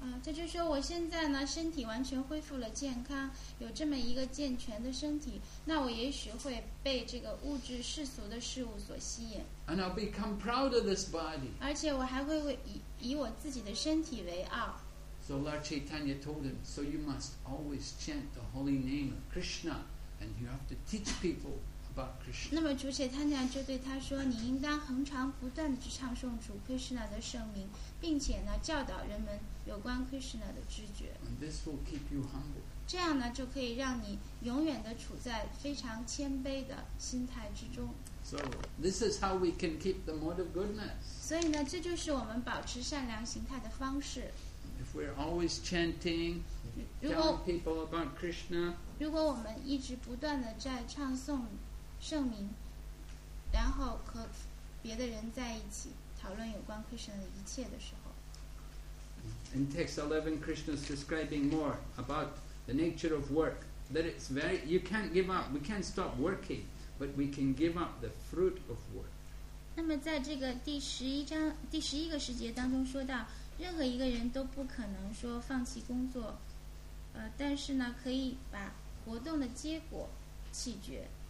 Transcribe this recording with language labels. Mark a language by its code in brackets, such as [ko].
[zh] 这就说我现在呢，身体完全恢复了健康，有这么一个健全的身体，那我也许会被这个物质世俗的事物所吸引。 [en] And I'll become proud of this body. [zh] 而且我还会以我自己的身体为傲。 [en] So Lord Chaitanya told him, "So you must always chant the holy name of Krishna, and you have to teach people." [zh] 那么主且贪婪就对他说你应当恒常不断地去唱诵主 Krishna 的圣名并且呢教导人们有关 Krishna 的知觉 [en] And this will keep you humble. [zh] 这样呢就可以让你永远地处在非常谦卑的心态之中 [en] So this is how we can keep the mode of goodness. [zh] 所以呢这就是我们保持善良形态的方式 [en] If we're always chanting telling people about Krishna [zh] 如果我们一直不断的在唱诵圣名，然后和别的人在一起讨论有关 Krishna 的一切的时候， [en] In text 11 Krishna is describing more about the nature of work, that it's very, you can't give up, we can't stop working, but we can give up the fruit of work. [zh] 那么在这个第十一章第十一个时节当中说到，任何一个人都不可能说放弃工作，但是呢可以把活动的结果弃绝。